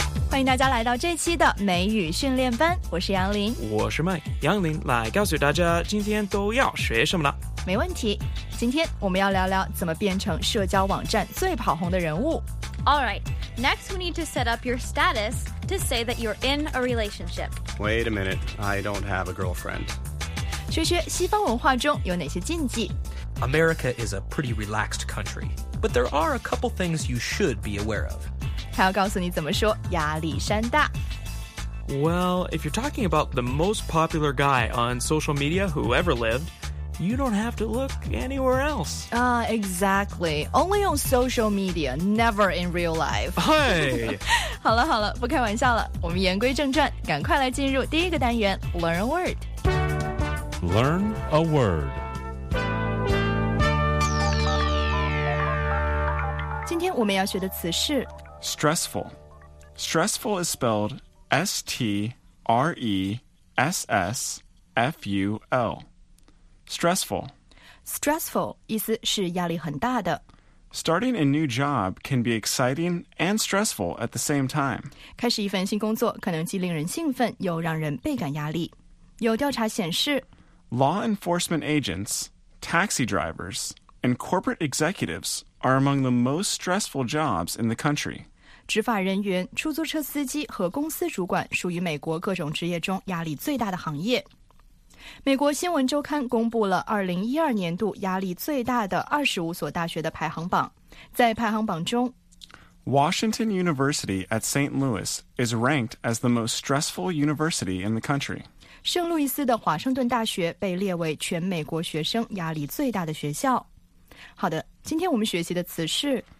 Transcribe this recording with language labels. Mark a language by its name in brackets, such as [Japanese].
[Chinese] 欢迎大家来到这期的美语训练班，我是杨林，我是麦。杨林来告诉大家今天都要学什么了。没问题，今天我们要聊聊怎么变成社交网站最跑红的人物。 [English] All right, next we need to set up your status to say that you're in a relationship. Wait a minute, I don't have a girlfriend. [Chinese] 学学西方文化中有哪些禁忌。 [English] America is a pretty relaxed country, but there are a couple things you should be aware of. [Chinese] 还要告诉你怎么说亚历山大。 [English] Well, if you're talking about the most popular guy on social media who ever lived, you don't have to look anywhere else. Exactly. Only on social media, never in real life. Hey! [Chinese] 好了好了，不开玩笑了，我们言归正传，赶快来进入第一个单元 Learn a Word. [English] Learn a Word. [Chinese] 今天我们要学的词是 [English] Stressful. Stressful is spelled S-T-R-E-S-S-F-U-L. Stressful. [Chinese] Stressful 意思是压力很大的。 [English] Starting a new job can be exciting and stressful at the same time. [Chinese] 开始一份新工作可能既令人兴奋又让人倍感压力。有调查显示 [English] Law enforcement agents, taxi drivers, and corporate executivesare among the most stressful jobs in the country. [Chinese] 执法人员、出租车司机和公司主管属于美国各种职业中压力最大的行业。美国新闻周刊公布了2012年度压力最大的25所大学的排行榜。在排行榜中 [English] Washington University at St. Louis is ranked as the most stressful university in the country. [Chinese] 圣路易斯的华盛顿大学被列为全美国学生压力最大的学校。好的，今天我们学习的词是